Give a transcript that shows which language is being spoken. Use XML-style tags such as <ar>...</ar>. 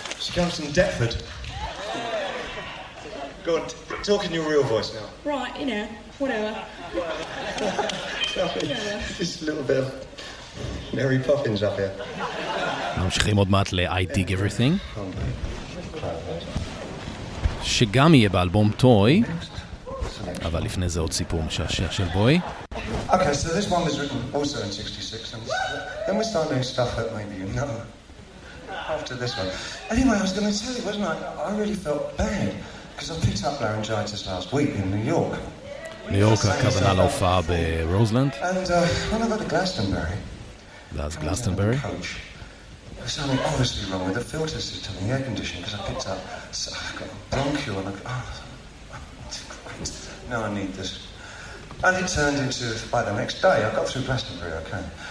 <en>She comes from Deptford. Go on, talk in your real voice now. Right, you know, whatever. Just a little bit of Mary Poppins up here.</en> <he>ממשיכים עוד מעט ל-I Dig Everything, שגם יהיה באלבום טוי, אבל לפני זה עוד סיפור משעשע של בוי.</he> <en>Okay, so this one was written also in 66, and then we start doing stuff that maybe you know after this one. Anyway, I was going to tell you, wasn't I? I really felt bad, because I picked up laryngitis last week in New York.</en> <he>New York, הכוונה להופעה ב-Roseland.</he> <en>And when I got to Glastonbury, that's Glastonbury. There's something obviously wrong with the filter system and the air conditioning, because I picked up, so I've got a bronchial, and now I need this. And it turned into, by the next day, I got through Glastonbury, okay.</en>